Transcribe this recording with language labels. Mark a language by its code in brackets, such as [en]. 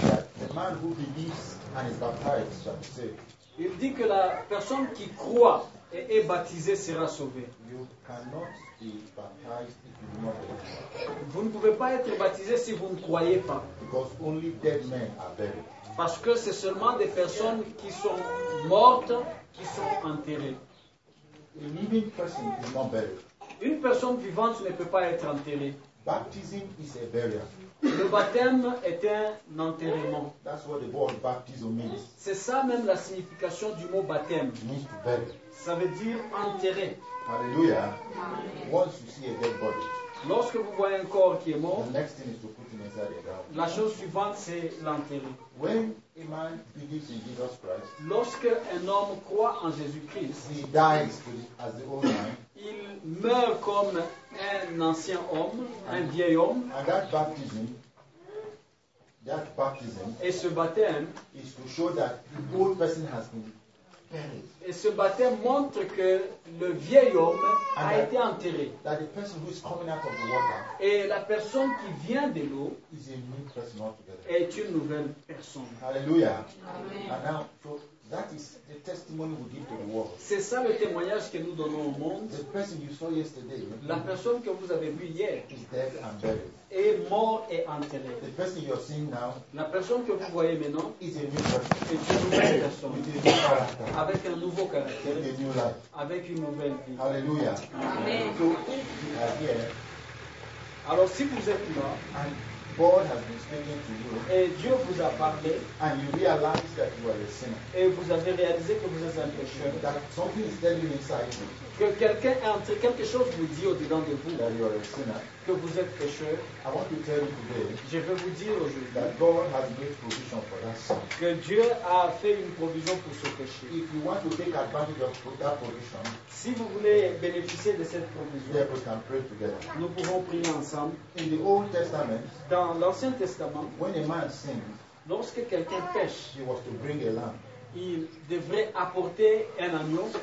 [en] that the man who believes and is baptized shall be saved. [fr] Il dit que la personne qui croit et est baptisé sera sauvé. [en] You cannot be baptized if you do not believe. [fr] Vous ne pouvez pas être baptisé si vous ne croyez pas. [en] Because only dead men are buried. [fr] Parce que c'est seulement des personnes qui sont mortes qui sont enterrées. [en] A living person is not buried. [fr] Une personne vivante ne peut pas être enterrée. [en] Baptism is a burial. [fr] Le baptême est un enterrement. [en] That's what the word baptism means. [fr] C'est ça même la signification du mot baptême. [en] Means to bury. [fr] Ça veut dire enterrer. [en] Alléluia. Once you see a dead body, [fr] lorsque vous voyez un corps qui est mort, [en] the next thing is to put him inside the ground. [fr] La chose suivante, c'est l'enterrer. [en] When a man believes in Jesus Christ, [fr] lorsque un homme croit en Jésus-Christ, [en] he dies to the, as the old man. [fr] Il meurt comme un ancien homme, un vieil homme. [en] And that baptism [fr] et ce baptême [en] is to show that the old person has been buried. [fr] Et ce baptême montre que le vieil homme [en] and a that, [fr] été enterré. [en] That the person who is coming out of the water, [fr] et la personne qui vient de l'eau [en] is a new person altogether. [fr] Est une nouvelle personne. Alléluia. Amen. [en] And now, so, that is the testimony we give to the world. [fr] C'est ça le témoignage que nous donnons au monde. [en] The person you saw yesterday, [fr] la personne que vous avez vue hier, [en] is dead and buried. [fr] Est mort et enterré. [en] The person you are seeing now, [fr] la personne que vous voyez maintenant, [en] is a new person. [fr] Est une nouvelle personne. [en] With a new character. [fr] Avec un nouveau caractère. [en] With a new life. [fr] Avec une nouvelle vie. Alléluia. Amen. [en] So, you are here. [fr] Alors si vous êtes là, [en] and God has been speaking to you. [fr] Et Dieu vous a parlé. [en] And you realize that you are a sinner. [fr] Et vous avez réalisé que vous êtes un pécheur. [en] That something is telling inside you. [fr] Que quelqu'un entre, quelque chose vous dit au-dedans de vous. [en] That you are a sinner. [fr] Que vous êtes pécheur. [en] I want to tell you today. [fr] Je veux vous dire aujourd'hui. [en] That God has made provision for that sin. [fr] Que Dieu a fait une provision pour ce péché. [en] If you want to take advantage of that provision. [fr] Si vous voulez bénéficier de cette provision. [en] Yeah, we can pray together. [fr] Nous pouvons prier ensemble. [en] In the Old Testament. [fr] Dans l'Ancien Testament. [en] When a man sins. [fr] Lorsque quelqu'un pêche. [en] He was to bring a lamb. [fr] Il devrait apporter un agneau.